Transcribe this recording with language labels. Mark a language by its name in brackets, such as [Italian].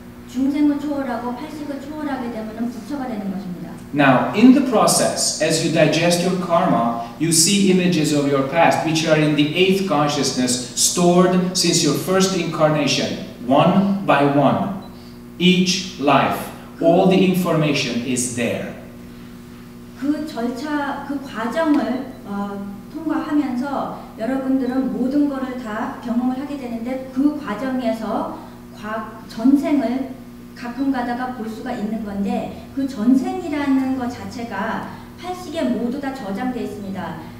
[Korean] 중생을 초월하고 팔식을 초월하게 되면 부처가 되는 것입니다. [English] Now, in the process, as you digest your karma, you see images of your past, which are in the eighth consciousness, stored since your first incarnation, one by one. Each life, all the information is there. [Korean] 그 절차, 그 과정을 통과하면서 여러분들은 모든 것을 다 경험을 하게 되는데 그 과정에서 전생을 가끔 가다가 볼 수가 있는 건데 그 전생이라는 것 자체가 팔식에 모두 다 저장되어 있습니다.